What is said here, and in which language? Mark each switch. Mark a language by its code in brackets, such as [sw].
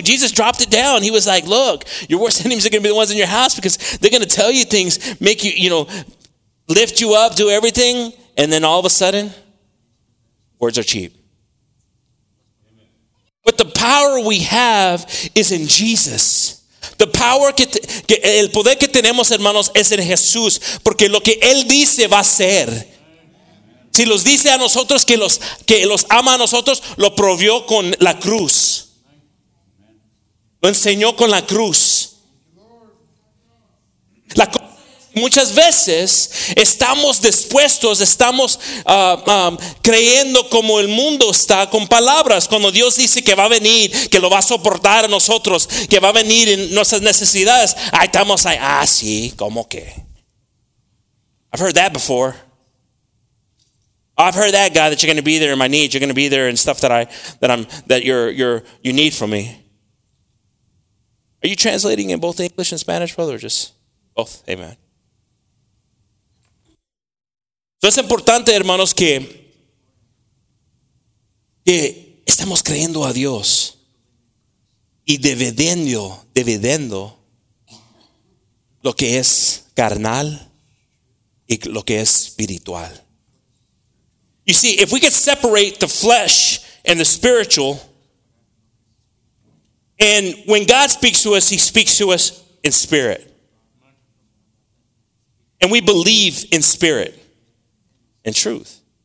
[en] Jesus dropped it down. He was like, look, your worst enemies are going to be the ones in your house because they're going to tell you things, make you, you know, lift you up, do everything. And then all of a sudden, words are cheap. But the power we have is in Jesus. The power [es] el poder que tenemos, hermanos, es en Jesús. Porque lo que Él dice va a ser. Si los dice a nosotros que los ama a nosotros, lo probó con la cruz. Lo enseñó con la cruz. La cruz. Muchas veces estamos dispuestos, estamos creyendo como el mundo está con palabras. Cuando Dios dice que va a venir, que lo va a soportar a nosotros, que va a venir en nuestras necesidades, ahí estamos ahí, ah sí, ¿cómo que? [en] I've heard that before. I've heard that, God, that you're going to be there in my need, you're going to be there in stuff that you need from me. Are you translating in both English and Spanish, brother, or just both? Amen. [es] So es importante, hermanos, que estamos creyendo a Dios y dividiendo lo que es carnal y lo que es espiritual. [en] You see, if we could separate the flesh and the spiritual, and when God speaks to us, He speaks to us in spirit. And we believe in spirit. And truth.